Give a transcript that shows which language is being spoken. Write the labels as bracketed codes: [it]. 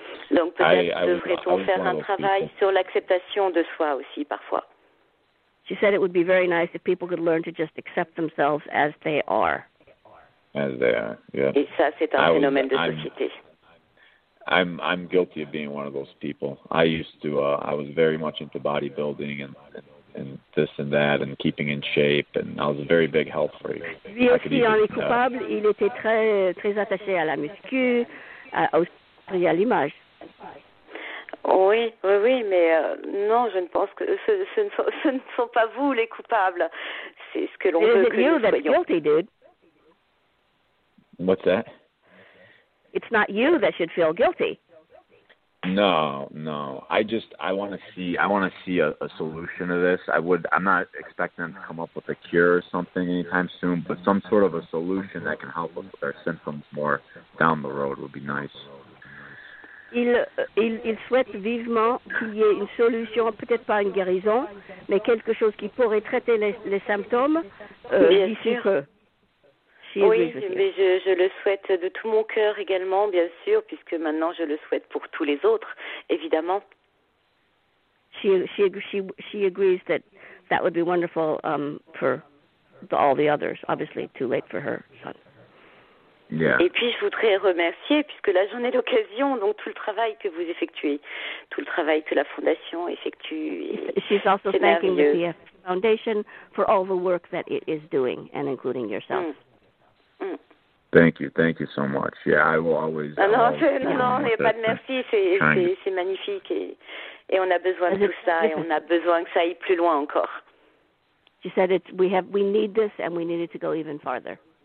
[fr] Donc peut-être devrait-on faire un travail sur l'acceptation de soi aussi parfois. [en] She said it would be very nice if people could learn to just accept themselves as they are. As they are, yeah. [fr] Et ça, c'est un phénomène de société. [en] I'm guilty of being one of those people. I used to, I was very much into bodybuilding and this and that and keeping in shape and I was a very big health freak. [fr] Lui aussi en est coupable, il était très, très attaché à la muscu, à l'image. Oui, oui, oui, mais non, je ne pense que ce ne sont pas vous les coupables. C'est ce que l'on veut que nous soyons. [en] What's that? It's not you that should feel guilty. No, no. I want to see a solution to this. I'm not expecting them to come up with a cure or something anytime soon, but some sort of a solution that can help us with our symptoms more down the road would be nice. [fr] Il souhaite vivement qu'il y ait une solution, peut-être pas une guérison, mais quelque chose qui pourrait traiter les symptômes d'ici peu. Oui, mais je le souhaite de tout mon cœur également, bien sûr, puisque maintenant je le souhaite pour tous les autres, évidemment. [en] She agrees that would be wonderful for all the others. Obviously, too late for her son. Yeah. [fr] Et puis je voudrais remercier, puisque là j'en ai l'occasion, donc tout le travail que vous effectuez, tout le travail que la fondation effectue. [en] She's also thanking the PF Foundation for all the work that it is doing, and including yourself. Mm. Thank you so much. Yeah, I will always. [fr] Non, il n'y a pas de merci. C'est magnifique et on a besoin de tout ça et on a besoin que ça aille plus loin encore. [en] She said we need this and we need it to go even farther.